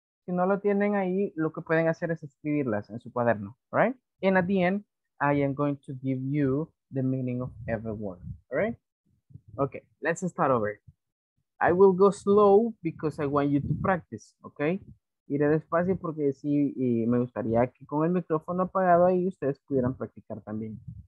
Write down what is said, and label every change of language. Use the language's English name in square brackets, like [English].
[Spanish] Si no lo tienen ahí, lo que pueden hacer es escribirlas en su cuaderno, right? [English] And at the end, I am going to give you the meaning of every word, all right? Okay, let's start over. I will go slow because I want you to practice, okay? [Spanish] Iré despacio porque sí, y me gustaría que con el micrófono apagado ahí ustedes pudieran practicar también.